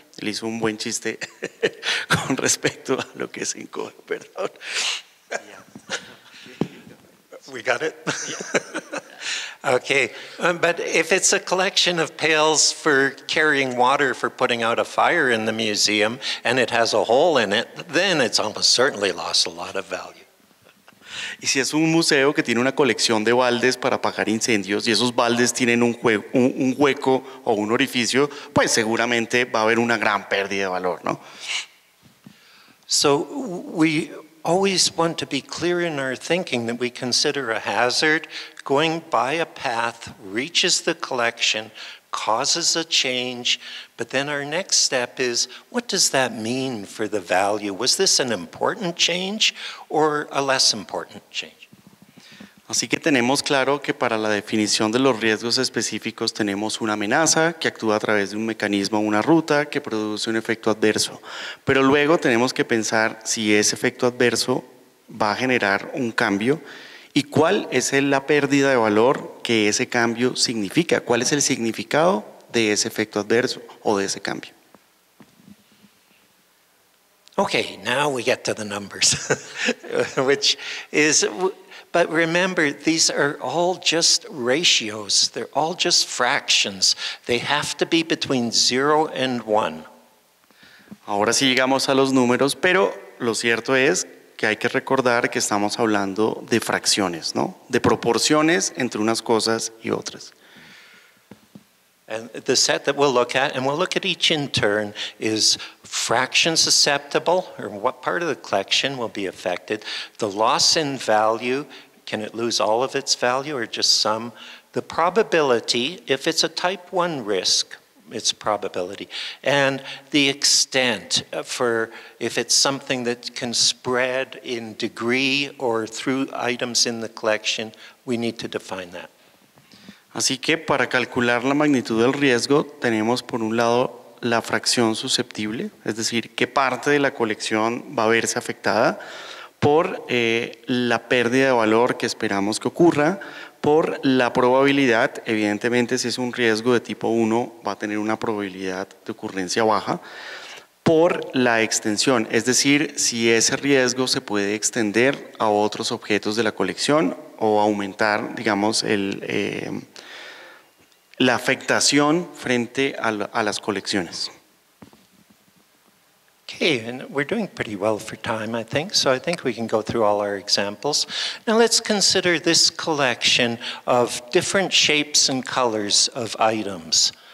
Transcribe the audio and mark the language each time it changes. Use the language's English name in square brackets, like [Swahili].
[Spanish] Él hizo un buen chiste con respecto a lo que se encoge, perdón. [English] We got it. Okay, but if it's a collection of pails for carrying water for putting out a fire in the museum and it has a hole in it, then it's almost certainly lost a lot of value. [Spanish] Y si es un museo que tiene una colección de baldes para apagar incendios y esos baldes tienen un hueco o un orificio, pues seguramente va a haber una gran pérdida de valor, ¿no? [English] So we always want to be clear in our thinking that we consider a hazard going by a path, reaches the collection, causes a change, but then our next step is, what does that mean for the value? Was this an important change or a less important change? [Spanish] Así que tenemos claro que para la definición de los riesgos específicos tenemos una amenaza que actúa a través de un mecanismo, una ruta que produce un efecto adverso. Pero luego tenemos que pensar si ese efecto adverso va a generar un cambio y cuál es la pérdida de valor que ese cambio significa, cuál es el significado de ese efecto adverso o de ese cambio. [English] Okay, now we get to the numbers, which is, but remember, these are all just ratios. They're all just fractions. They have to be between 0 and 1. [Spanish] Ahora sí llegamos a los números, pero lo cierto es que hay que recordar que estamos hablando de fracciones, ¿no? De proporciones entre unas cosas y otras. [English] And the set that we'll look at, and we'll look at each in turn, is fraction susceptible, or what part of the collection will be affected, the loss in value, can it lose all of its value or just some, the probability, if it's a type 1 risk, its probability, and the extent for if it's something that can spread in degree or through items in the collection, we need to define that. [Spanish] Así que para calcular la magnitud del riesgo, tenemos por un lado la fracción susceptible, es decir, qué parte de la colección va a verse afectada por la pérdida de valor que esperamos que ocurra, por la probabilidad, evidentemente si es un riesgo de tipo 1 va a tener una probabilidad de ocurrencia baja, por la extensión, es decir, si ese riesgo se puede extender a otros objetos de la colección o aumentar, digamos, la afectación frente a las colecciones. [English] Okay, and we're doing pretty well for time, I think, so I think we can go through all our examples. Now let's consider this collection of different shapes and colors of items.